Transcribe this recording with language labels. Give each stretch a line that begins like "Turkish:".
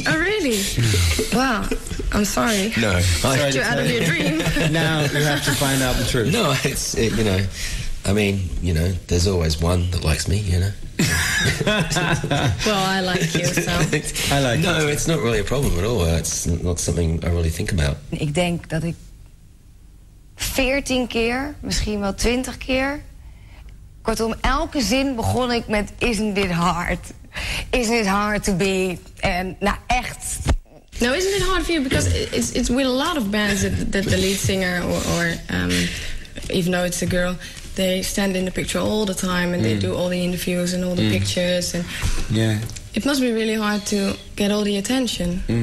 English: Oh, really? Wow. I'm sorry. No. I sorry you out of your dream. Now you have to find out the truth. No, it's, it, you know, I mean, you know, there's always one that likes me, you know. Well, I like you, so. I like no, you. No, it's not really a problem at all. It's not something I really think about.
Dutch: Ik denk dat ik 14 keer, misschien wel 20 keer, kortom, elke zin begon ik met,
English: isn't it hard? Isn't it hard to be?
Dutch: En, nou, echt.
English: No, isn't it hard for you? Because it's with a lot of bands that the lead singer or even though it's a girl, they stand in the picture all the time and they do all the interviews and all the pictures. And yeah. It must be really hard to get all the attention.